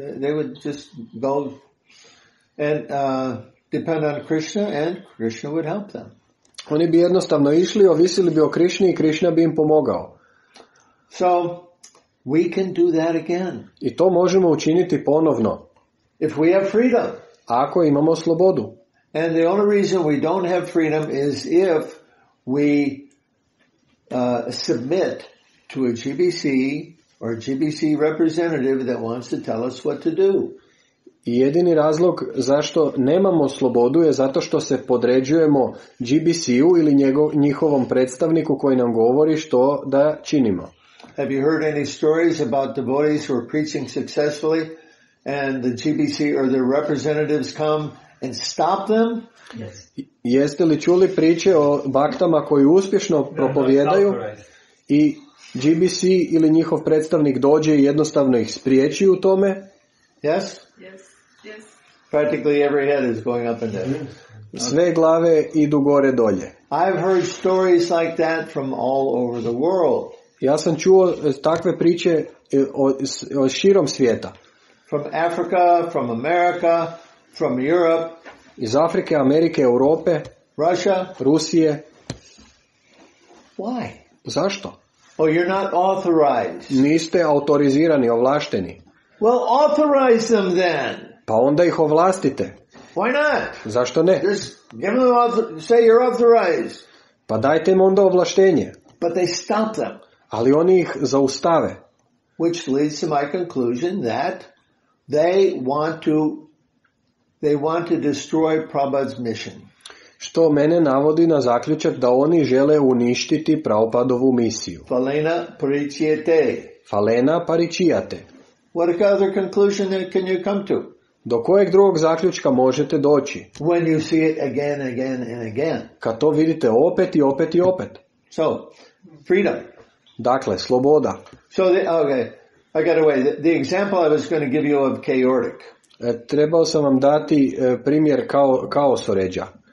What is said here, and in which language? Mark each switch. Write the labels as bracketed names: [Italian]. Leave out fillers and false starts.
[English] They would just go and depend on Krishna, and Krishna would help them. [Croatian] Oni bi jednostavno išli, ovisili bi o Krishni i Krishna bi im pomogao. [English] So we can do that again. [Croatian] I to možemo učiniti ponovno. [English] If we have freedom. [Croatian] Ako imamo slobodu. [English] And the only reason we don't have freedom is if we submit to a GBC or a GBC representative that wants to tell us what to do. [Croatian] Jedini razlog zašto nemamo slobodu je zato što se podređujemo GBC-u ili njihovom predstavniku koji nam govori što da činimo. [English] Have you heard any stories about devotees who are preaching successfully and the GBC or their representatives come and stop them? Yes. [Croatian] Jeste li čuli priče o baktama koji uspješno propovijedaju i GBC ili njihov predstavnik dođe i jednostavno ih spriječi u tome? [English] Yes. Yes. Practically every head is going up and down. [Croatian] Sve glave idu gore dolje. [English] I've heard stories like that from all over the world. [Croatian] Ja sam čuo takve priče o širom svijeta. [English] From Africa, from America, from Europe. [Croatian] Iz Afrike, Amerike, Europe. [English] Russia. [Croatian] Rusije. [English] Why? [Croatian] Zašto? [English] Oh, you're not authorized. [Croatian] Niste autorizirani, ovlašteni. [English] Well, authorize them then. [Croatian] Pa onda ih ovlastite. [English] Why not? [Croatian] Zašto ne? [English] Just give them say you're authorized. [Croatian] Pa dajte im onda ovlaštenje. [English] But they stop them. [Croatian] Ali oni ih zaustave. [English] Which leads to my conclusion that they want to destroy Prabhupada's mission. [Croatian] Što mene navodi na zaključak da oni žele uništiti Prabhupadovu misiju. [Sanskrit] Falena paričijate. Falena paričijate. [English] What other conclusion can you come to? [Croatian] Do kojeg drugog zaključka možete doći? [English] When you see it again, again and again. [Croatian] Kad to vidite opet i opet i opet. [English] So, freedom. [Croatian] Dakle, sloboda. [English] So, okay, I got away. The example I was going to give you of chaotic. [Croatian] Trebao sam vam dati primjer kaosoređa.